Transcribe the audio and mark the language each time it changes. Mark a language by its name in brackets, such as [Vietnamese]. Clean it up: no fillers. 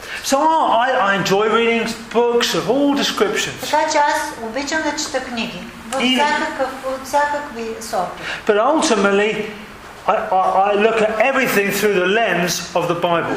[English] So I enjoy reading books of all descriptions. [Bulgarian] Така че аз обичам да чета книги всякакви сорти. [English] But ultimately, I look at everything through the lens of the Bible.